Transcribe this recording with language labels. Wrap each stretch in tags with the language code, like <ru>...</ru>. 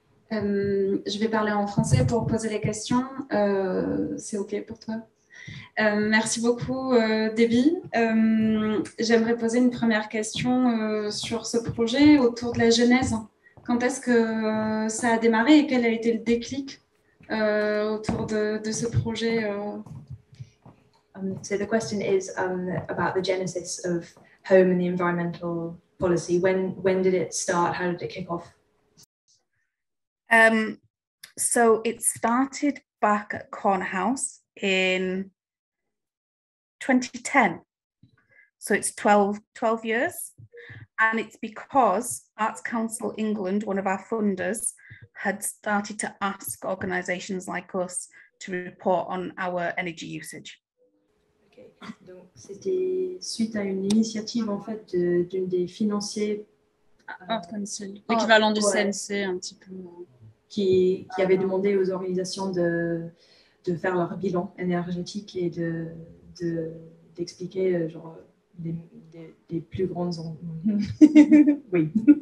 <fr>Je vais parler en français pour poser les questions. C'est OK pour toi? Merci beaucoup, Debbie. J'aimerais poser une première question sur ce projet autour de la genèse. Quand est-ce que ça a démarré et quel a été le déclic autour de ce projet.</fr> <en>So the question is about the genesis of home and the environmental policy. When did it start? How did it kick off? So it started back at Corner House in 2010. So it's 12 years. And it's because Arts Council England, one of our funders, had started to ask organisations like us to report on our energy usage.</en> <fr>Donc, c'était suite à une initiative en fait d'une des financiers l'équivalent du CNC un petit peu qui avait demandé aux organisations de faire leur bilan énergétique et de d'expliquer genre des plus grandes oui.</fr>